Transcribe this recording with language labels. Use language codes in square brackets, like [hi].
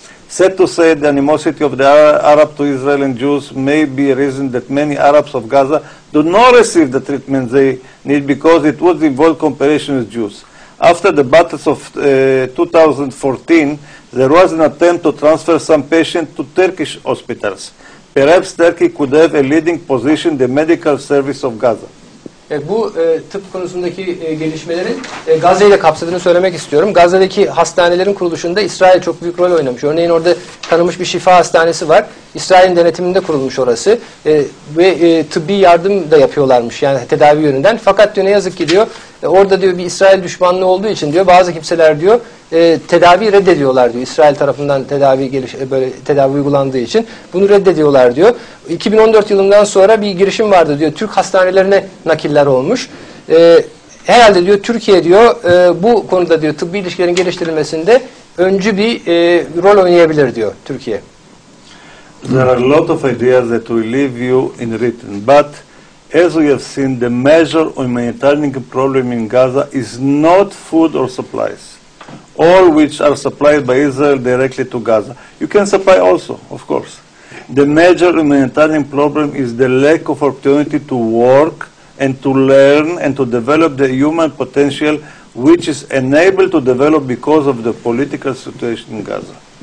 [en] Sad to say, the animosity of the Arab to Israel and Jews may be a reason that many Arabs of Gaza do not receive the treatment they need, because it would involve cooperation with Jews. After the battles of 2014, there was an attempt to transfer some patients to Turkish hospitals. Perhaps Turkey could have a leading position in the medical service of Gaza. [tr] Bu tıp konusundaki gelişmelerin Gazze ile kapsadığını söylemek istiyorum. Gazze'deki hastanelerin kuruluşunda İsrail çok büyük rol oynamış. Örneğin orada tanınmış bir şifa hastanesi var. İsrail'in denetiminde kurulmuş orası. Ve tıbbi yardım da yapıyorlarmış yani tedavi yönünden. Fakat diyor ne yazık ki diyor orada diyor bir İsrail düşmanlığı olduğu için diyor bazı kimseler diyor tedavi reddediyorlar diyor. İsrail tarafından tedavi uygulandığı için bunu reddediyorlar diyor. 2014 yılından sonra bir girişim vardı diyor. Türk hastanelerine nakiller olmuş. Herhalde diyor Türkiye diyor bu konuda diyor tıbbi ilişkilerin geliştirilmesinde öncü bir rol oynayabilir diyor Türkiye. [en] There are a lot of ideas that we leave you in written, but as we have seen, the major humanitarian problem in Gaza is not food or supplies, all which are supplied by Israel directly to Gaza. You can supply also, of course. The major humanitarian problem is the lack of opportunity to work and to learn and to develop the human potential which is unable to develop because of the political situation in Gaza.